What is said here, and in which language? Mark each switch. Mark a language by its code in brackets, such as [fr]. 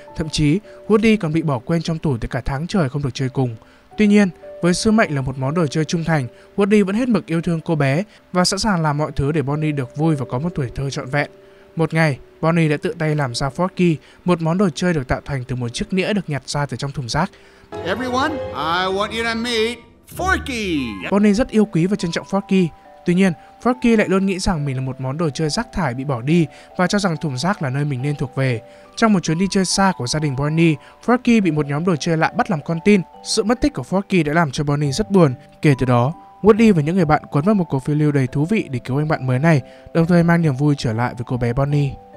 [vi] Thậm chí, Woody còn bị bỏ quên trong tủ tới cả tháng trời không được chơi cùng. Tuy nhiên, với sứ mệnh là một món đồ chơi trung thành, Woody vẫn hết mực yêu thương cô bé và sẵn sàng làm mọi thứ để Bonnie được vui và có một tuổi thơ trọn vẹn. Một ngày, Bonnie đã tự tay làm ra Forky, một món đồ chơi được tạo thành từ một chiếc nĩa được nhặt ra từ trong thùng rác. [en] Everyone, I want you to meet Forky. [vi] Bonnie rất yêu quý và trân trọng Forky. Tuy nhiên, Forky lại luôn nghĩ rằng mình là một món đồ chơi rác thải bị bỏ đi và cho rằng thùng rác là nơi mình nên thuộc về. Trong một chuyến đi chơi xa của gia đình Bonnie, Forky bị một nhóm đồ chơi lạ bắt làm con tin. Sự mất tích của Forky đã làm cho Bonnie rất buồn. Kể từ đó, Woody và những người bạn cuốn vào một cuộc phiêu lưu đầy thú vị để cứu anh bạn mới này, đồng thời mang niềm vui trở lại với cô bé Bonnie.